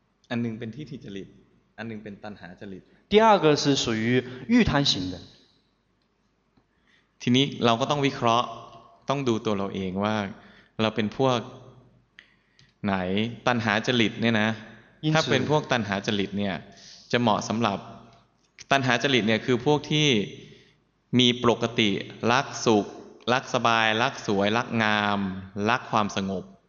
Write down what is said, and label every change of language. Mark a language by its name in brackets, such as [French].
[Thai] อันหนึ่งเป็นทิฏฐิจริตอันหนึ่งเป็นตัณหาจริต [Chinese] 第二个是属于欲贪型的 [Thai] ทีนี้เราก็ต้องวิเคราะห์ต้องดูตัวเราเองว่าเราเป็นพวกไหนตัณหาจริตเนี่ยนะถ้าเป็นพวกตัณหาจริตเนี่ยจะเหมาะสำหรับตัณหาจริตเนี่ยคือพวกที่มีปกติรักสุขรักสบายรักสวยรักงามรักความสงบ